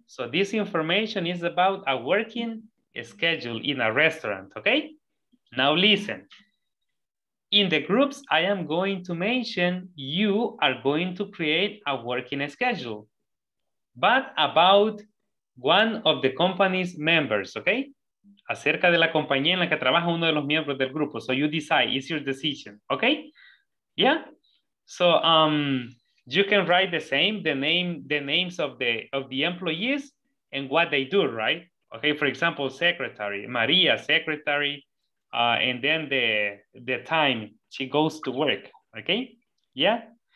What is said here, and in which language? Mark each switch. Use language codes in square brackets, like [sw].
[en] So this information is about a working schedule in a restaurant, okay? Now listen. In the groups I am going to mention, you are going to create a working schedule, but about one of the company's members, okay? [es] Acerca de la compañía en la que trabaja uno de los miembros del grupo. [en] So you decide, it's your decision, okay? Yeah? So you can write the same, the names of the employees and what they do, right? Okay, for example, secretary, Maria, secretary, and then the time she goes to work, okay? Yeah?